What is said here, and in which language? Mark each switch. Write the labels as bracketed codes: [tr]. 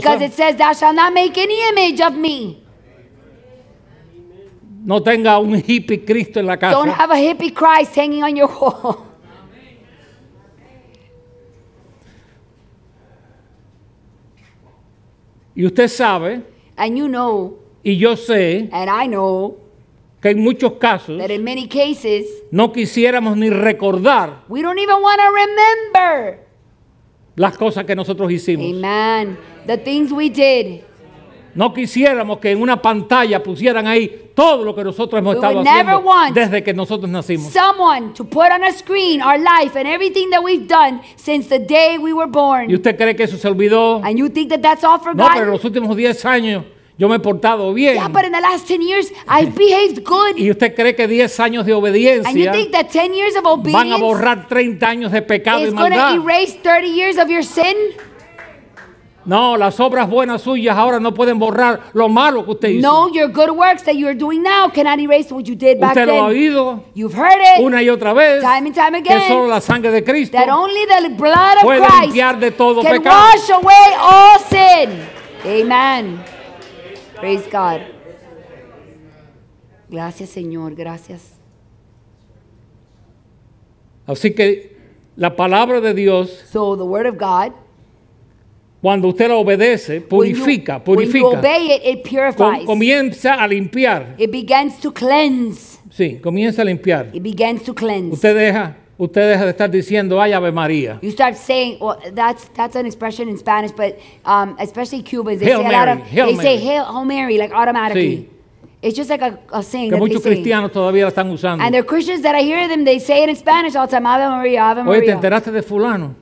[en] because it says thou shalt not make any image of me. [es] No tenga un hippie Cristo en la casa. [en] Don't have a hippie Christ hanging on your wall. [es] Y usted sabe. [en] And you know. [es] Y yo sé. [en] And I know. [es] Que en muchos casos. [en] That in many cases. [es] No quisiéramos ni recordar. [en] We don't even want to remember. [es] Las cosas que nosotros hicimos. [en] Amen. The things we did. [es] No quisiéramos que en una pantalla pusieran ahí todo lo que nosotros hemos estado haciendo desde que nosotros nacimos. [en] Someone to put on a screen our life and everything that we've done since the day we were born. [es] ¿Y usted cree que eso se olvidó? [en] And you think that that's all forgotten? [es] No, pero los últimos 10 años yo me he portado bien. [en] Yeah, but in the last 10 years I've behaved good. [es] ¿Y usted cree que 10 años de obediencia? [en] And you think that 10 years of obedience [es] van a borrar 30 años de pecado y maldad? [en] Is going to erase 30 years of your sin? [es] No, las obras buenas suyas ahora no pueden borrar lo malo que usted hizo. [en] No, your good works that you are doing now cannot erase what you did back then. [es] Usted lo ha oído. [en] You've heard it. [es] Una y otra vez. [en] Time and time again. [es] Que solo la sangre de Cristo. [en] That only the blood of Christ [es] puede limpiar de todo pecado. [en] Can wash away all sin. Amen. Praise God. [es] Gracias, Señor. Gracias. Así que la palabra de Dios. [en] So the word of God. [es] Cuando usted la obedece, purifica, [en] when you, [es] purifica. [en] When you obey it, it purifies. [es] Comienza a limpiar. [en] It begins to cleanse. [es] Sí, comienza a limpiar. [en] It begins to cleanse. [es] Usted deja de estar diciendo, ay, Ave María. [en] You start saying, well, that's an expression in Spanish, but especially Cubans, they Hail say Mary, a lot of, Hail they Mary. Say Hail Mary, like automatically. [es] Sí. [en] It's just like a saying [es] que Que muchos cristianos todavía la están usando. [en] And there are Christians that I hear them, they say it in Spanish all the time. [es] Ave María, Ave María. Oye, ¿te enteraste de fulano?